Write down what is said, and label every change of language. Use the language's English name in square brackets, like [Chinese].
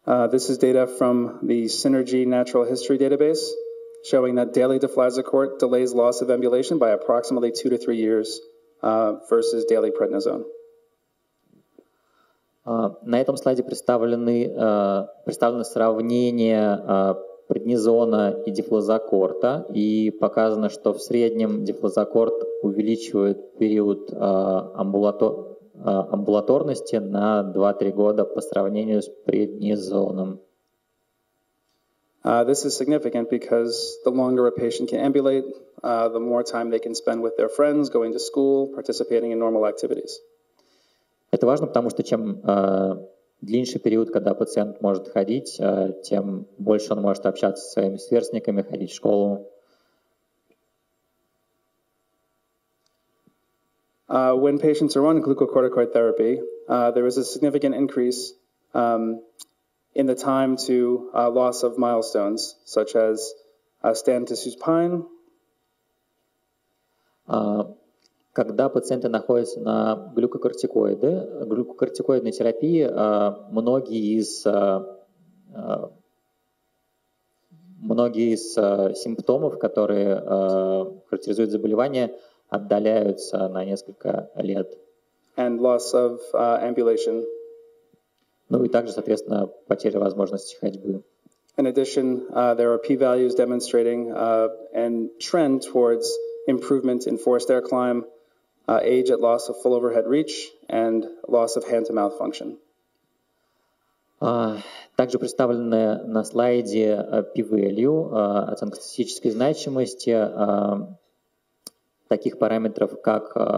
[English] This is data from the Synergy Natural History Database, showing that daily deflazacort delays loss of ambulation by approximately 2 to 3 years versus daily prednisone. [Russian] На этом слайде представлено сравнение преднизона и дефлазакорта, и показано, что в среднем дефлазакорт увеличивает период амбулаторности на 2-3 года по сравнению с преднизоном. [English] This is significant because the longer a patient can ambulate, the more time they can spend with their friends, going to school, participating in normal activities. [Russian] Это важно, потому что чем длиннее период, когда пациент может ходить, тем больше он может общаться со своими сверстниками, ходить в школу. [English] When patients are on glucocorticoid therapy, there is a significant increase in the time to loss of milestones, such as stand to supine. [Russian] Когда пациенты находятся на глюкокортикоидной терапии, многие из симптомов, которые характеризуют заболевание, отдаляются на несколько лет. [English] And loss of ambulation. [Russian] Ну и также, соответственно, потеря возможности ходьбы. [English] In addition, there are p-values demonstrating and trend towards improvement in forced air climb, age at loss of full overhead reach, and loss of hand-to-mouth function. [Russian] Также представлены на слайде p-value, оценка статистической значимости таких параметров, как